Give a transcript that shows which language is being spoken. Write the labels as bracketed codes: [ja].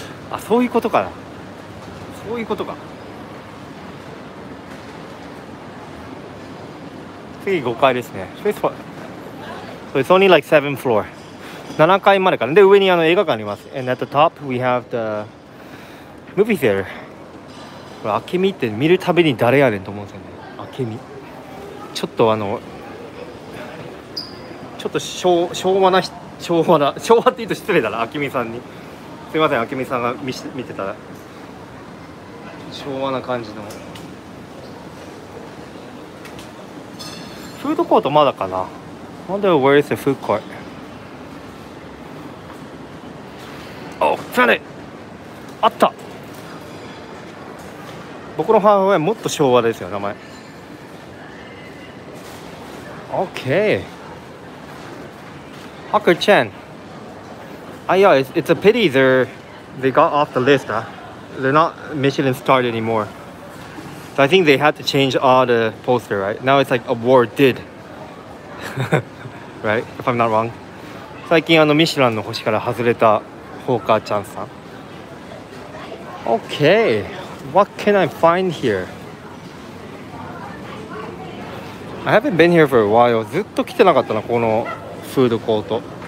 [ja] あ、そういうことかな。そういうことか。次5階ですね。 [en] Fifth floor. So it's only like 7th floor. [ja] 7階までかな。で、上にあの映画館あります。 [en] And at the top, we have the movie theater. [ja] これ、明美って見るたびに誰やねんと思うんですよね。明美。ちょっとあの、ちょっと昭和な、昭和って言うと失礼だな、明美さんに。すいません、明美さんが見てたら。昭和な感じの。フードコートまだかな。 [en] I wonder where is the food court? [ja] あれあった。僕の母親はもっと昭和ですよ、名前。 [en] OK Hucker Chen、 yeah, it's a pity they got off the list、They're not Michelin starred anymore、 So、I think they had to change all the poster, right? Now it's like award did Right? If I'm not wrong [ja] 最近あのミシュランの星から外れたフォーカーちゃんさん。 [en] OK What can I find here? I haven't been here for a while. [ja] ずっと来てなかったな、このフードコート。